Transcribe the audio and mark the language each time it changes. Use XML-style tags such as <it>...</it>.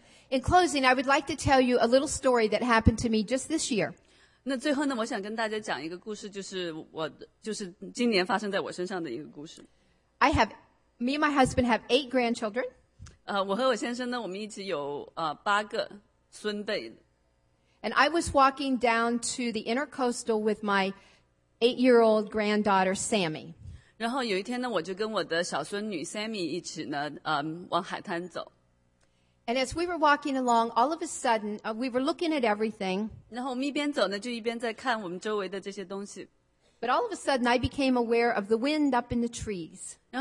<en>In closing, I would like to tell you a little story that happened to me just this year.</en> <zh>那最后呢，我想跟大家讲一个故事，就是今年发生在我身上的一个故事。</zh> <en>Me and my husband have 8 grandchildren.</en> <zh>我和我先生呢，我们一起有8个孙辈。</zh> <en>And I was walking down to the intercoastal with my 8-year-old granddaughter Sammy.</en> <zh>然后有一天呢，我就跟我的小孙女 Sammy 一起呢，往海滩走。</zh> <en>And as we were walking along, all of a sudden, we were looking at everything.</en> <zh>然后我们一边走呢，就一边在看我们周围的这些东西。</zh> <en>But all of a sudden, I became aware of the wind up in the trees.</en>